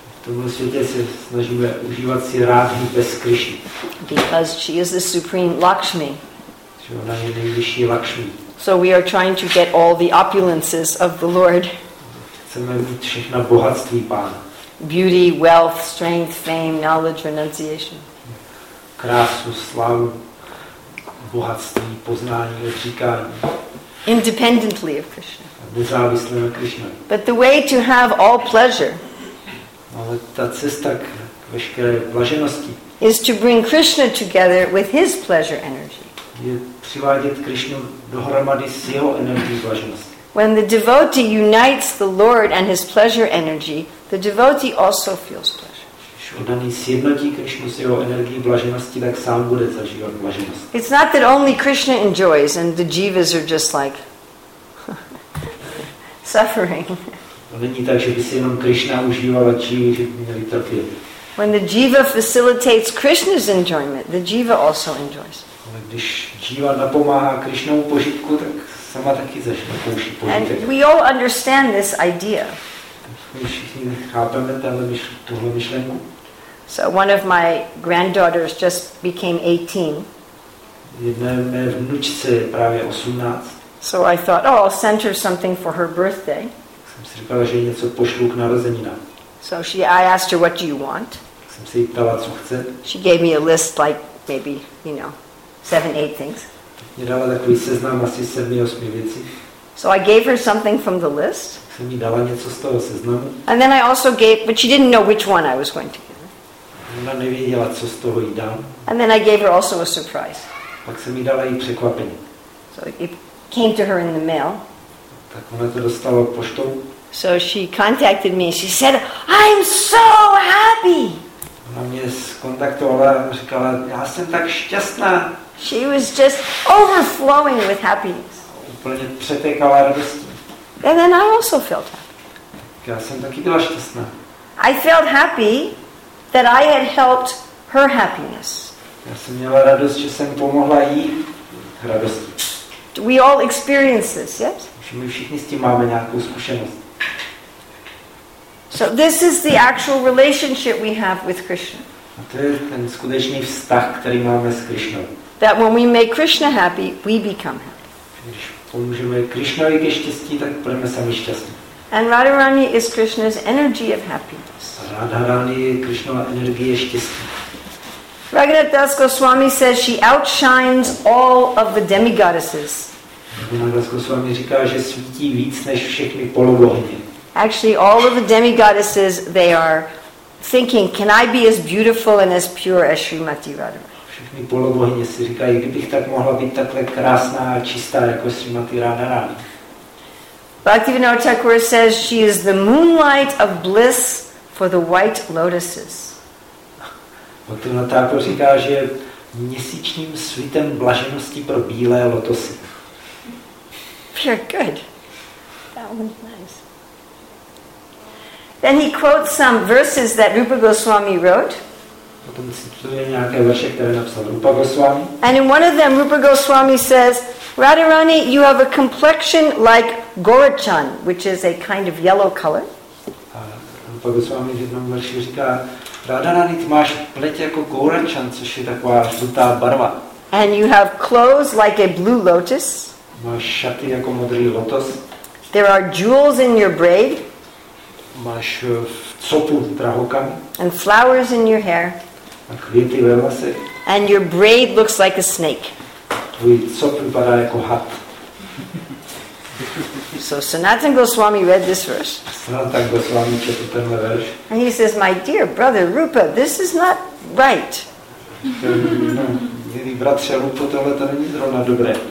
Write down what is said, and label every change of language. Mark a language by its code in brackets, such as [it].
[cs] V tomhle světě se snažíme užívat si Rádhy bez Krišny. [en] Because she is the supreme Lakshmi. [cs] Že ona je nejvyšší Lakshmi. [en] So we are trying to get all the opulences of the Lord. [cs] Chceme mít všechna bohatství Pána. [en] Beauty, wealth, strength, fame, knowledge, renunciation. [cs] Krásu, slavu, bohatství, poznání, odříkání. [en] Independently of Krishna. [cs] Nezávisle na Krišně. [en] But the way to have all pleasure. [cs] Ale ta cesta k veškeré blaženosti [en] is to bring Krishna together with his pleasure energy. [cs] Je přivádět Krishnu dohromady s jeho energií blaženosti. [en] When the devotee unites the Lord and his pleasure energy, the devotee also feels pleasure. [cs] Když oddaný sjednotí Krishnu s jeho energií blaženosti, tak sám bude zažívat blaženost. [en] It's not that only Krishna enjoys and the jivas are just like suffering. [cs] Není tak, že by si jenom Krishna užíval a jivy, že by měli trpět. [en] When the jiva facilitates Krishna's enjoyment, the jiva also enjoys. [cs] Ale když jiva napomáhá Krishnovu požitku, tak sama taky zažívá požitek. [en] And we all understand this idea. [cs] My všichni chápeme tuhle myšlenku. [en] So one of my granddaughters just became 18. [cs] Jedna mé vnučce je právě 18. [en] So I thought, oh, I'll send her something for her birthday. [cs] Si říkala, že něco pošlu k narozeninám. [en] So she, I asked her, what do you want? [cs] Jsem se jí ptala, co chce. [en] She gave me a list, like maybe, you know, 7-8 things. [cs] Mě dala takový seznam asi 7-8 věcí. [en] So I gave her something from the list. [cs] Jsem jí dala něco z toho seznamu. [en] And then I also gave, but she didn't know which one I was going to give her. [cs] Ona nevěděla, co z toho jí dám. [en] And then I gave her also a surprise. [cs] Pak jsem jí dala i překvapení. [en] So it came to her in the mail. [cs] Tak ona to dostala poštou. [en] So she contacted me. She said, "I'm so happy." [cs] Ona mě skontaktovala a říkala, já jsem tak šťastná. [en] She was just overflowing with happiness. [cs] Úplně přetékala radostí. [en] And then I also felt happy. [cs] Já jsem taky byla šťastná. [en] I felt happy that I had helped her happiness. [cs] Já jsem měla radost, že jsem pomohla jí radosti. [en] Do we all experience this, yes? [cs] My všichni s tím máme nějakou zkušenost. [en] So this is the actual relationship we have with Krishna. [cs] A to je ten skutečný vztah, který máme s Krishnou. [en] That when we make Krishna happy, we become happy. [cs] Když pomůžeme Krishnovi ke štěstí, tak budeme sami šťastní. [en] And Radharani is Krishna's energy of happiness. [cs] Radharani je Krishnova energie štěstí. [en] Raghunath Das Goswami says she outshines all of the demigoddesses. [cs] Raghunath Das Goswami říká, že svítí víc než všechny polobohyně. [en] Actually, all of the demigoddesses, they are thinking, can I be as beautiful and as pure as Srimati Radharani? [cs] Všechny polobohyně si říkají, kdybych tak mohla být takhle krásná a čistá jako Srimati Radharani. [en] Bhaktivinoda Thakura says she is the moonlight of bliss for the white lotuses. [cs] Bhaktivinoda Thakura říká, že je měsíčním svitem blaženosti pro bílé lotosy. [en] Very good. That one's nice. Then he quotes some verses that Rupa Goswami wrote. [cs] Potom cituje nějaké verše, které napsal Rupa Goswami. [en] And in one of them, Rupa Goswami says, Radharani, you have a complexion like Gorachan, which is a kind of yellow color. [cs] Rupa Goswami v jednom verši říká, Radharani, ty máš pleť jako Gorachan, což je taková žlutá barva. [en] And you have clothes like a blue lotus. [cs] Máš šaty jako modrý lotos. [en] There are jewels in your braid. [cs] Máš copu drahokam. [en] And flowers in your hair. [cs] A květy ve vlasech. [en] And your braid looks like a snake. [cs] Tvůj cop vypadá jako had. [en] So Sanatan Goswami read this verse. [cs] Sanatan Goswami četl tenhle verš. [en] And he says, my dear brother Rupa, this is not right. [cs] Milý bratře Rupo, tohle to není zrovna dobré.